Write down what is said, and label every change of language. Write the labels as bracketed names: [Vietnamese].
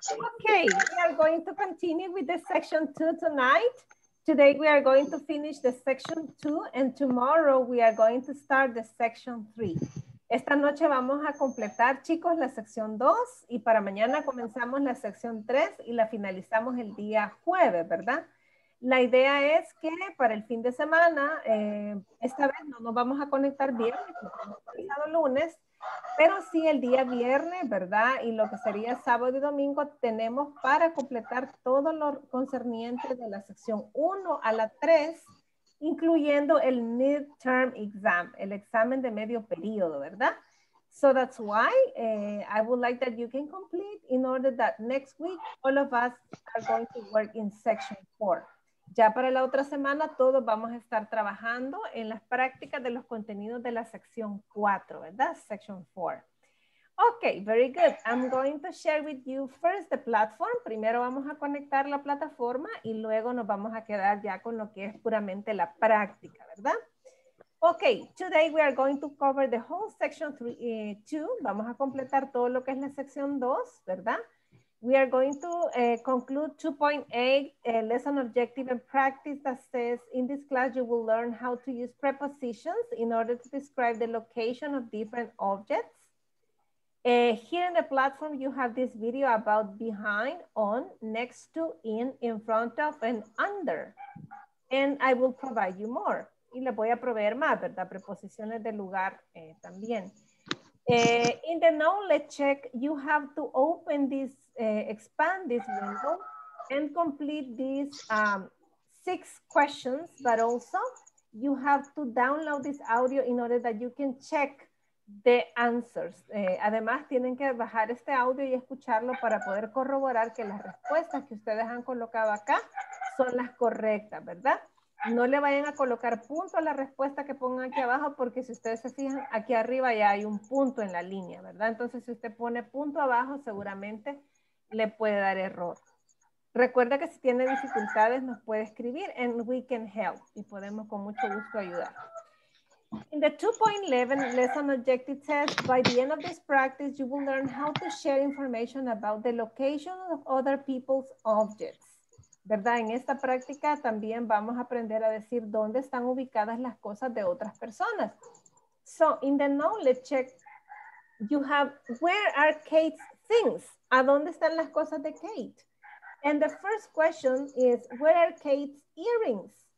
[English] Okay, we are going to continue with the section two tonight. Today we are going to finish the section two, and tomorrow we are going to start the section three. [Spanish] Esta noche vamos a completar, chicos, la sección 2 y para mañana comenzamos la sección 3 y la finalizamos el día jueves, ¿verdad? La idea es que para el fin de semana, esta vez no nos vamos a conectar viernes, porque hemos comenzado lunes, pero sí el día viernes, ¿verdad? Y lo que sería sábado y domingo tenemos para completar todo lo concerniente de la sección 1 a la 3, incluyendo el midterm exam, el examen de medio periodo, ¿verdad? [English] So that's why I would like that you can complete in order that next week all of us are going to work in section 4. [Spanish] Ya para la otra semana todos vamos a estar trabajando en las prácticas de los contenidos de la sección 4, ¿verdad? [English] Section 4. Okay, very good. I'm going to share with you first the platform. [Spanish] Primero vamos a conectar la plataforma y luego nos vamos a quedar ya con lo que es puramente la práctica, ¿verdad? [English] Okay, today we are going to cover the whole section 2. [Spanish] Vamos a completar todo lo que es la sección 2, ¿verdad? [English] We are going to conclude 2.8, lesson objective and practice that says, in this class you will learn how to use prepositions in order to describe the location of different objects. Here in the platform, you have this video about behind, on, next to, in front of, and under. And I will provide you more. [Spanish] Y le voy a proveer más, ¿verdad? Preposiciones de lugar también. [English] In the knowledge check, you have to open this, expand this window, and complete these 6 questions, but also you have to download this audio in order that you can check the answers. [Spanish] Además, tienen que bajar este audio y escucharlo para poder corroborar que las respuestas que ustedes han colocado acá son las correctas, ¿verdad? No le vayan a colocar punto a la respuesta que pongan aquí abajo, porque si ustedes se fijan, aquí arriba ya hay un punto en la línea, ¿verdad? Entonces, si usted pone punto abajo, seguramente le puede dar error. Recuerda que si tiene dificultades, nos puede escribir en We Can Help y podemos con mucho gusto ayudar. [English] In the 2.11 lesson objective test, by the end of this practice, you will learn how to share information about the location of other people's objects. [Spanish] ¿Verdad? En esta práctica también vamos a aprender a decir dónde están ubicadas las cosas de otras personas. [English] So, in the knowledge check, you have, where are Kate's things? [Spanish] ¿A dónde están las cosas de Kate? [English] And the first question is, where are Kate's earrings?